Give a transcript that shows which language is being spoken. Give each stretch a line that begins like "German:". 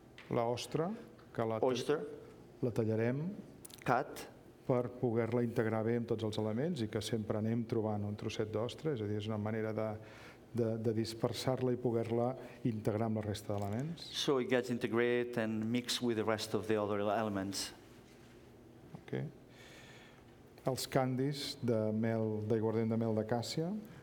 Catalan: La ostra, que la tallarem.
English: Cut.
Catalan: Per poder-la integrar bé amb tots els elements i que sempre anem trobant un trosset d'ostra, és a dir, és una manera de dispersar-la i poder-la integrar amb la resta d'elements.
English: So it gets integrated and mixed with the rest of the other elements. Okay.
Catalan: Els candis de mel, d'aiguardent de mel d'acàcia.